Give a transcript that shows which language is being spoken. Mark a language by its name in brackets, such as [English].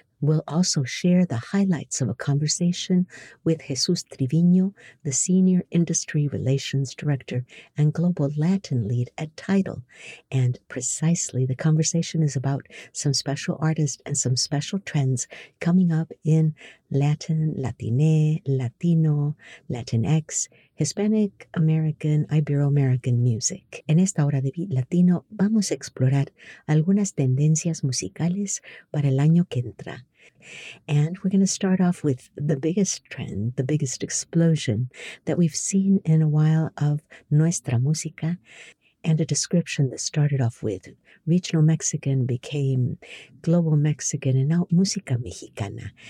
[English] We'll also share the highlights of a conversation with Jesus Triviño, the Senior Industry Relations Director and Global Latin Lead at Tidal. And precisely, the conversation is about some special artists and some special trends coming up in Latin, Latine, Latino, Latinx, Hispanic American, Ibero-American music. [Spanish] En esta hora de Beat Latino, vamos a explorar algunas tendencias musicales para el año que entra. [English] And we're going to start off with the biggest trend, the biggest explosion that we've seen in a while of [Spanish] nuestra música, [English] and a description that started off with regional Mexican became global Mexican and now música mexicana.